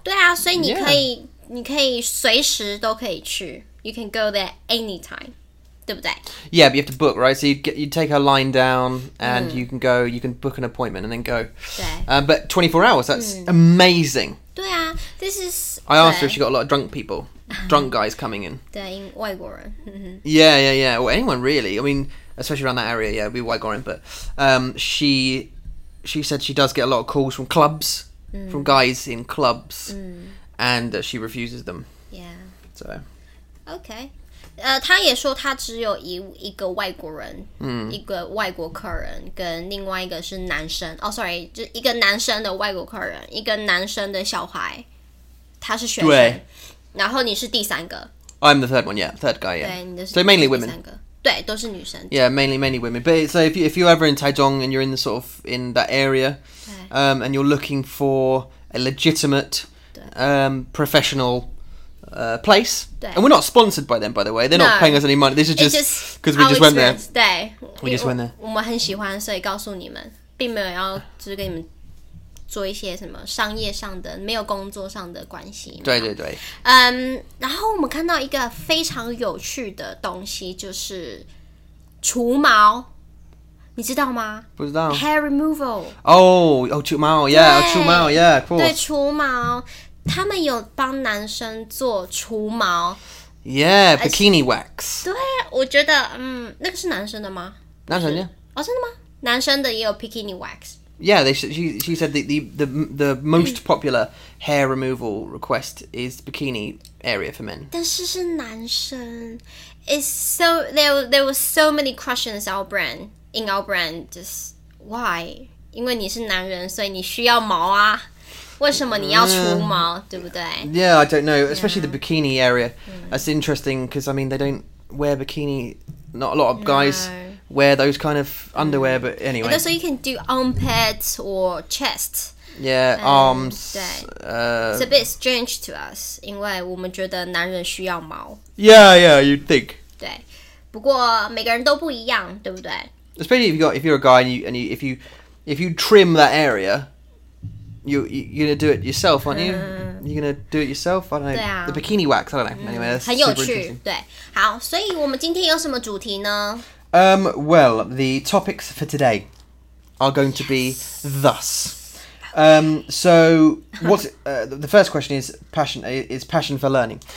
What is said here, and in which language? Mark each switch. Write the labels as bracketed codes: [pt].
[zh] 对啊，所以你可以你可以随时都可以去。 [en] You can go there anytime, [zh] 对不对? [en] Yeah, but you have to book, right? So you take her line down and you can go, you can book an appointment and then go. [zh] 对。 [en] But 24 hours, that's amazing. [zh] 对啊, [en] this is... I asked her if she got a lot of drunk people. Drunk guys coming in. [zh] 对，外国人。 [en] Yeah. Well, anyone really. I mean, especially around that area, yeah, we're [zh] 外国人. [en] But she said she does get a lot of calls from clubs, from guys in clubs, and she refuses them. Yeah. So. Okay. [zh] 他也说他只有一个外国人，一个外国客人，跟另外一个是男生。 [en] Oh, sorry, [zh] 就一个男生的外国客人，一个男生的小孩，他是学生。然后你是第三个 [en] I'm the third one, yeah, third guy, yeah. [zh] 对 [en] so mainly women. [zh] 对，都是女生。 [en] Yeah, mainly women. But so if you're ever in Taichung and you're in the sort of in that area, and you're looking for a legitimate, professional, place, [zh] 对 [en] and we're not sponsored by them, by the way, they're not paying us any money. This is just because we just went there. [zh] 对 [en] we just went there. [zh] 我们很喜欢，所以告诉你们，并没有要就是跟你们。做一些什么商业上的没有工作上的关系对对对然后我们看到一个非常有趣的东西就是除毛你知道吗不知道 [en] hair removal 除毛 yeah 除毛 yeah、cool. [zh] 对除毛他们有帮男生做除毛 [en] yeah bikini wax [zh] 对我觉得那个是男生的吗男生的哦真的吗男生的也有 bikini wax [en] Yeah, she said the most popular hair removal request is bikini area for men. [zh] 但是是男生。 [en] It's so there were so many questions in our brand. Just why? [zh] 因为你是男人，所以你需要毛啊。为什么你要除毛，对不对？ [en] Yeah, I don't know. Especially the bikini area. That's interesting because I mean they don't wear bikini. Not a lot of guys. No. Wear those kind of underwear, but anyway. And also you can do armpits or chest. Yeah, arms. It's a bit strange to us, [zh] 因为我们觉得男人需要毛。 [en] Yeah, you'd think. [zh] 对，不过每个人都不一样，对不对？ [en] Especially if you're a guy and if you trim that area, you're gonna do it yourself, aren't you? You're gonna do it yourself? I don't know. [zh] 对啊。 [en] The bikini wax, I don't know. Anyway, that's super interesting. [zh] 很有趣，对。好，所以我们今天有什么主题呢？ [en] Well, the topics for today are going to be thus. So, what's the first question is passion for learning.